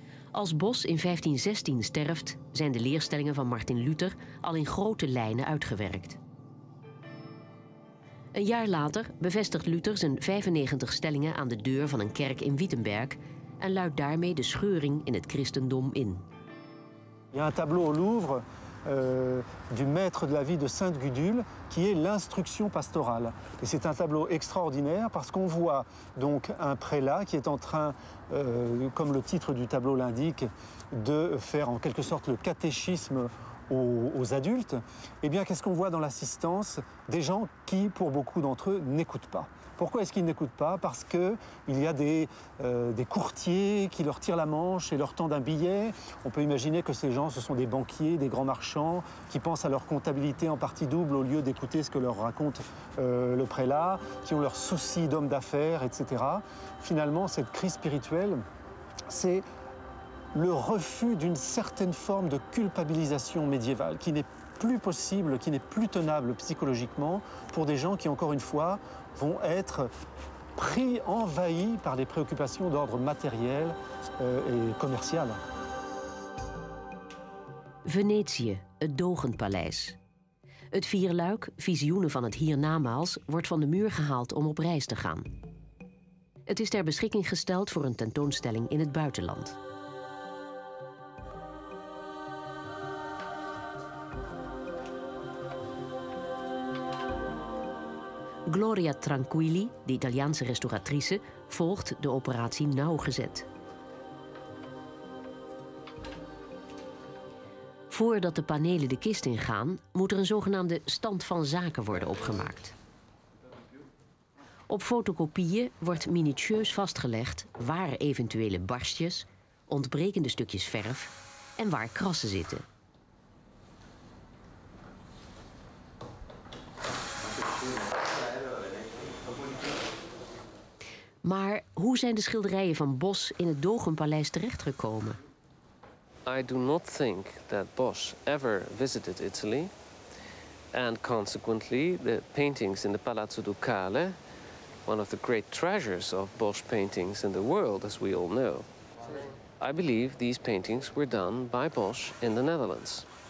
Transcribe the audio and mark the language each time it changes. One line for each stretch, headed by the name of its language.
Dutch: Als Bos in 1516 sterft, zijn de leerstellingen van Martin Luther al in grote lijnen uitgewerkt. Een jaar later bevestigt Luther zijn 95 stellingen aan de deur van een kerk in Wittenberg en luidt daarmee de scheuring in het christendom in.
French: Il y a un tableau au Louvre du maître de la vie de Sainte-Gudule qui est l'instruction pastorale. Et c'est un tableau extraordinaire parce qu'on voit donc un prélat qui est en train comme le titre du tableau l'indique de faire en quelque sorte le catéchisme aux adultes, eh bien, qu'est-ce qu'on voit dans l'assistance? Des gens qui, pour beaucoup d'entre eux, n'écoutent pas. Pourquoi est-ce qu'ils n'écoutent pas? Parce qu'il y a des courtiers qui leur tirent la manche et leur tendent un billet. On peut imaginer que ces gens, ce sont des banquiers, des grands marchands, qui pensent à leur comptabilité en partie double au lieu d'écouter ce que leur raconte le prélat, qui ont leurs soucis d'hommes d'affaires, etc. Finalement, cette crise spirituelle, c'est le refus d'une certaine forme de culpabilisation médiévale qui n'est plus possible, qui n'est plus tenable psychologiquement pour des gens qui, encore une fois, vont être pris, envahis par les préoccupations d'ordre matériel et commercial.
Dutch: Venetië, het Dogend Paleis. Het vierluik, visioenen van het hiernamaals, wordt van de muur gehaald om op reis te gaan. Het is ter beschikking gesteld voor een tentoonstelling in het buitenland. Gloria Tranquilli, de Italiaanse restauratrice, volgt de operatie nauwgezet. Voordat de panelen de kist ingaan, moet er een zogenaamde stand van zaken worden opgemaakt. Op fotocopieën wordt minutieus vastgelegd waar eventuele barstjes, ontbrekende stukjes verf en waar krassen zitten. Maar hoe zijn de schilderijen van Bos in het Dogenpaleis terechtgekomen?
English: I do not think that Bos ever visited Italy. And consequently, the paintings in the Palazzo Ducale, one of the great treasures of Bos paintings in the world, as we all know, I believe these paintings were done by Bos in the Netherlands.